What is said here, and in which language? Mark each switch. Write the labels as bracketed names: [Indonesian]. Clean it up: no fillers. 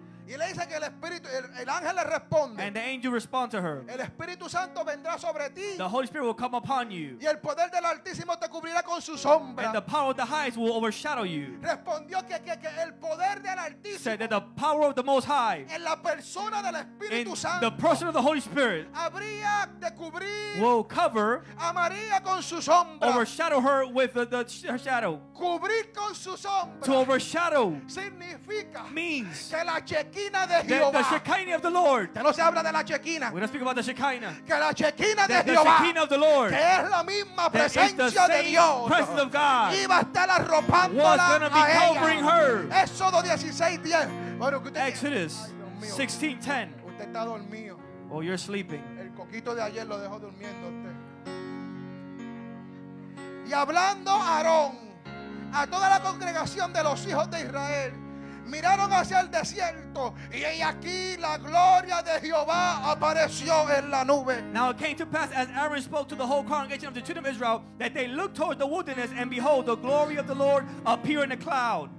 [Spanish] Y le dice que el Espíritu, el ángel le responde. [English] And the angel responds to her. [Spanish] El Espíritu Santo vendrá sobre ti. [English] The Holy Spirit will come upon you. [Spanish] Y el poder del Altísimo te cubrirá con su sombra. [English] And the power of the highest will overshadow you. [Spanish] Respondió que el poder del Altísimo. [English] Said that the power of the Most High. [Spanish] En la persona del Espíritu [English] in [Spanish] Santo. [English] The person of the Holy Spirit. [Spanish] Habría de cubrir. [English] Will cover. [Spanish] A María con su sombra. [English] Overshadow her with her shadow. [Spanish] Cubrir con su sombra. [English] To overshadow. [Spanish] Significa. [English] Means. [Spanish] Que la chequea. [English] The Shekinah of the Lord. [Spanish] Ya no se habla de la Shekinah. [English] We don't speak about the Shekinah. [Spanish] Que la Shekinah de [English] Jehová. The Shekinah of the Lord. [Spanish] Que es la misma presencia de Dios. [English] Presence of God. [Spanish] Iba a estar arropándola. [English] Was going to be covering her. [Spanish] Éxodo 16:10. Bueno, que usted. [English] Exodus 16:10. [Spanish] Usted está dormido. [English] Oh, you're sleeping. [Spanish] El coquito de ayer lo dejó durmiendo usted. Y hablando Aarón a toda la congregación de los hijos de Israel. Miraron hacia el desierto y aquí la gloria de Jehová apareció en la nube. [English] Now it came to pass as Aaron spoke to the whole congregation of the children of Israel that they looked toward the wilderness and behold the glory of the Lord appeared in a cloud.